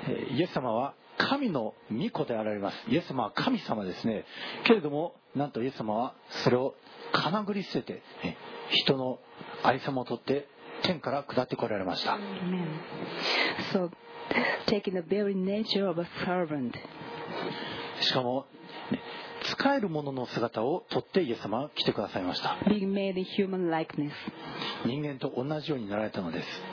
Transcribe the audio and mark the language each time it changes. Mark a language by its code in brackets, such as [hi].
[ja] イエス様は神の御子であられます。イエス様は神様ですね。けれども、なんとイエス様はそれをかなぐり捨てて、人の有様をとって天から下ってこられました。 [en] So, taking the very nature of a servant. [ja] しかも、使えるものの姿をとってイエス様は来てくださいました。 [en] Being made a human likeness. [ja] 人間と同じようになられたのです。